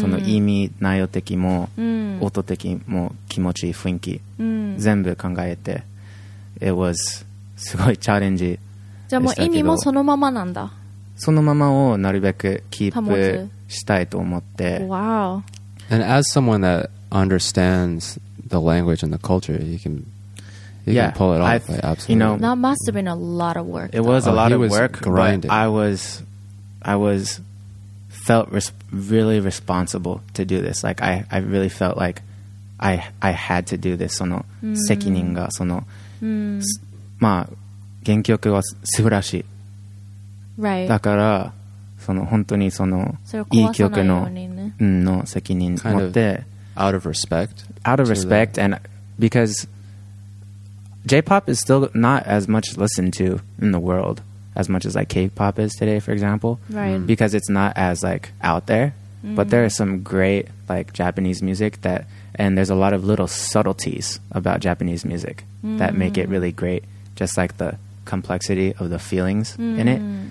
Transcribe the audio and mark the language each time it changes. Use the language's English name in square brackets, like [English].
[Japanese] その意味内容的も、 mm-hmm, 音的も気持ちいい雰囲気、 mm-hmm, 全部考えて、 [English] it was... [Japanese] すごいチャレンジ。じゃあもう意味もそのままなんだ。そのままをなるべくキープしたいと思って。 [English] Wow. And as someone that understands the language and the culture, you can pull it off. Like, absolutely. You know, that must have been a lot of work. It was, though, a lot of work. Grinding. I was felt really responsible to do this. Like, I really felt like I had to do this. [Japanese] その責任がその。まあ、原曲は素晴らしい、 [English] right. [Japanese] だからその本当にそのいい曲 の,、ね、の責任持って [English] kind of out of respect out of respect and because J-pop is still not as much listened to in the world as much as like K-pop is today, for example, right. Because it's not as like out there, But there is some great like Japanese music that, and there's a lot of little subtleties about Japanese music that make it really great, just like the complexity of the feelings in it.